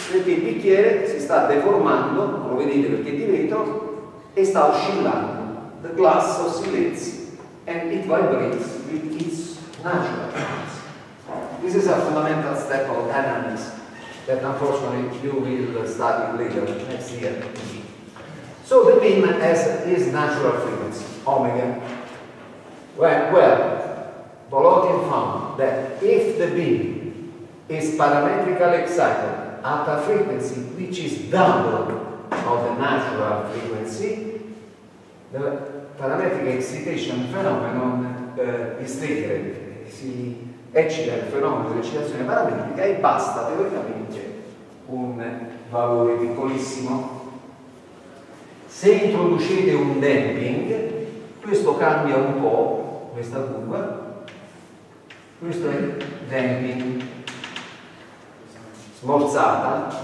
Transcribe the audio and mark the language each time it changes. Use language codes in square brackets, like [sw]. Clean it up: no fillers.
[it] Perché il bicchiere si sta deformando, lo vedete perché è di vetro, e sta oscillando. [en] The glass oscillates and it vibrates with its natural frequency. This is a fundamental step of dynamics that unfortunately you will study later next year. So the beam has its natural frequency, omega. Well, Bolotin found that if the beam is parametrically excited at a frequency which is double of the natural frequency, the parametric excitation phenomenon is triggered. [it] Si eccita il fenomeno dell'eccitazione parametrica e basta teoricamente un valore piccolissimo. Se introducete un damping, questo cambia un po', questa curva, questo è damping, smorzata.